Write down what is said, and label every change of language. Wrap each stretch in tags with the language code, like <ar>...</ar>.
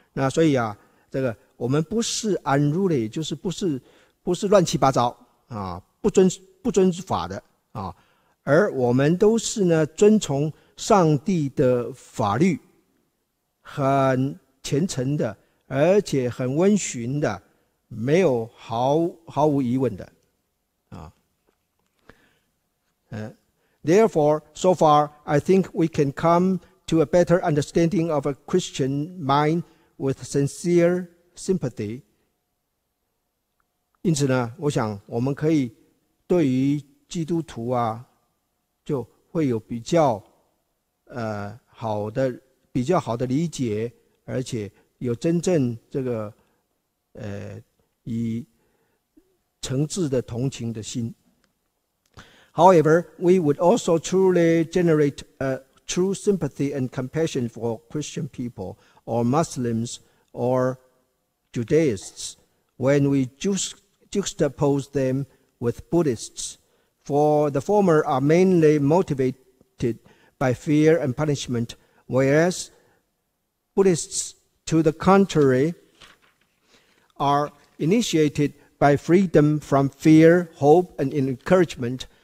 <zh>那所以啊，这个我们不是 unruly， 就是不是乱七八糟啊，不遵法的啊，而我们都是呢遵从上帝的法律，很虔诚的，而且很温驯的，没有毫无疑问的啊。</zh> <en>Therefore, so far, I think we can come to a better understanding of a Christian mind with sincere sympathy.</en> <zh>因此呢，我想我们可以对于基督徒啊，就会有比较好的理解，而且有真正这个以诚挚的同情的心。</zh> <en>However, we would also truly generate a true sympathy and compassion for Christian people or Muslims or Judaists when we juxtapose them with Buddhists. For the former are mainly motivated by fear and punishment, whereas Buddhists, to the contrary, are initiated by freedom from fear, hope, and encouragement.</en>